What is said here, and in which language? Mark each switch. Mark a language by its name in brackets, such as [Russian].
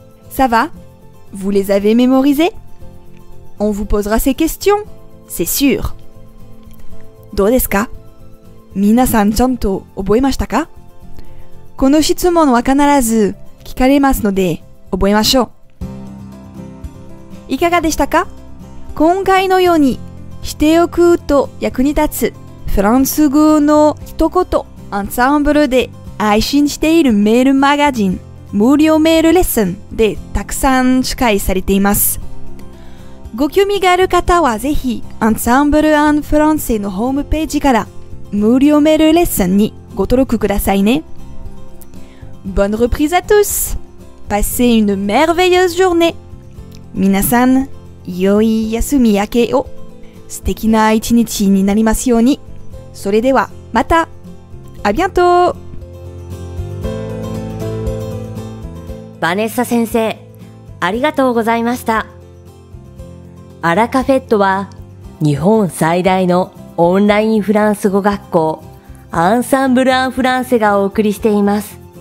[French] Ça va? Vous les avez mémorisés? On vous posera ces questions, c'est sûr. [Japanese] どうですか? 皆さんちゃんと覚えましたか?この質問は必ず聞かれますので覚えましょう。いかがでしたか? 今回のようにしておくと役に立つフランス語の一言アンサンブルで配信しているメールマガジン無料メールレッスンでたくさん紹介されています。ご興味がある方はぜひアンサンブル&フランセのホームページから無料メールレッスンにご登録くださいね。 [French] Bonne reprise à tous! Passez une merveilleuse journée! [Japanese] 皆さん、良い休み明けを。素敵な一日になりますように。それでは、また。あ、ビャント。バネッサ先生、ありがとうございました。アラカフェットは、日本最大のオンラインフランス語学校、アンサンブル・アン・フランセがお送りしています。